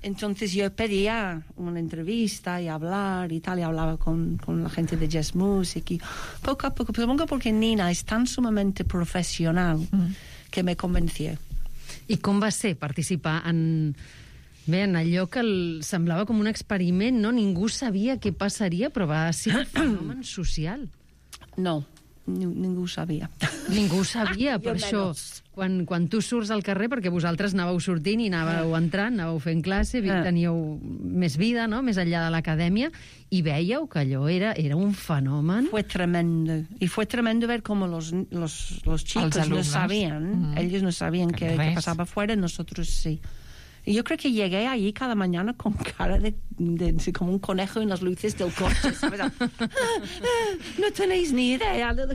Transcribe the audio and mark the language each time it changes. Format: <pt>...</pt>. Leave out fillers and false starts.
<es>Entonces yo pedía una entrevista y hablar y tal, y hablaba con la gente de Jazz Music y poco a poco. Pero supongo porque Nina es tan sumamente profesional que me convencí. ¿Y cómo va a ser participar en...</es> <ca>Bé, en allò que semblava com un experiment, no? Ningú sabia què passaria, però va ser un fenomen social. No, ningú ho sabia. Ningú ho sabia, per això. Quan tu surts al carrer, perquè vosaltres anàveu sortint i anàveu entrant, anàveu fent classe, teníeu més vida, no?, més enllà de l'acadèmia, i veieu que allò era un fenomen.</ca> <es>Fue tremendo. Y fue tremendo ver cómo los chicos no sabían. Mm. Ellos no sabían que pasaba fuera, nosotros sí. Yo creo que llegué allí cada mañana con cara de como un conejo en las luces del coche. No tenéis ni idea.</es>